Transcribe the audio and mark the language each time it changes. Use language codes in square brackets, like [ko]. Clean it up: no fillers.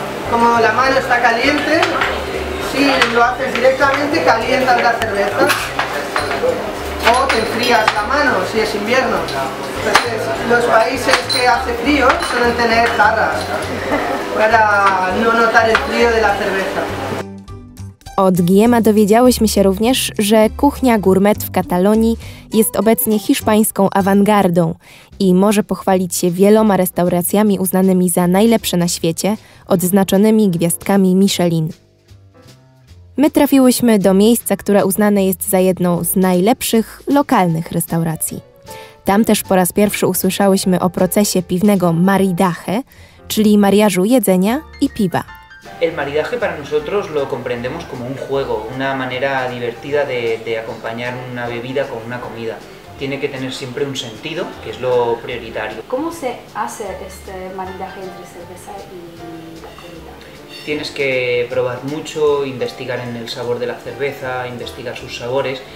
[es] Como la mano está caliente, si lo haces directamente, calientas la cerveza. O te enfrías la mano si es invierno. Entonces, los países que hace frío suelen tener jarras para no notar el frío de la cerveza. [pl] Od Guillema dowiedziałyśmy się również, że kuchnia gourmet w Katalonii jest obecnie hiszpańską awangardą i może pochwalić się wieloma restauracjami uznanymi za najlepsze na świecie, odznaczonymi gwiazdkami Michelin. My trafiłyśmy do miejsca, które uznane jest za jedną z najlepszych lokalnych restauracji. Tam też po raz pierwszy usłyszałyśmy o procesie piwnego maridaje, czyli mariażu jedzenia i piwa. [es] El maridaje para nosotros lo comprendemos como un juego, una manera divertida de acompañar una bebida con una comida. Tiene que tener siempre un sentido, que es lo prioritario. ¿Cómo se hace este maridaje entre cerveza y comida? Tienes que probar mucho, investigar en el sabor de la cerveza, investigar sus sabores.